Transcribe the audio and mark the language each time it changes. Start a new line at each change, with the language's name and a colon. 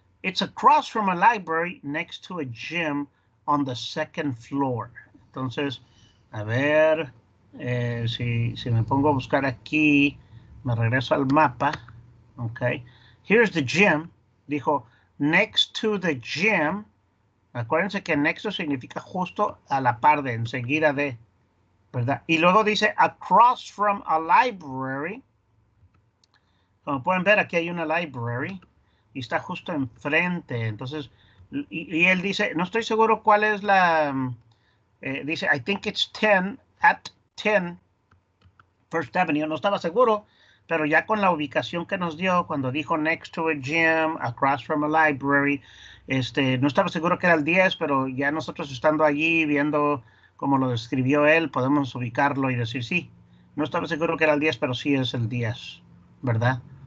English: It's across from a library next to a gym on the second floor.
Spanish: Entonces, a ver. Si me pongo a buscar aquí, me regreso al mapa. Okay.
English: Here's the gym.
Spanish: Dijo,
English: next to the gym.
Spanish: Acuérdense que nexo significa justo a la par de, enseguida de, ¿verdad? Y luego dice,
English: across from a library.
Spanish: Como pueden ver, aquí hay una library y está justo enfrente. Entonces, y él dice, no estoy seguro cuál es la, dice,
English: I think it's 10, at 10 First Avenue.
Spanish: No estaba seguro, pero ya con la ubicación que nos dio, cuando dijo
English: next to a gym, across from a library,
Spanish: no estaba seguro que era el 10, pero ya nosotros estando allí, viendo cómo lo describió él, podemos ubicarlo y decir, sí, no estaba seguro que era el 10, pero sí es el 10, ¿verdad?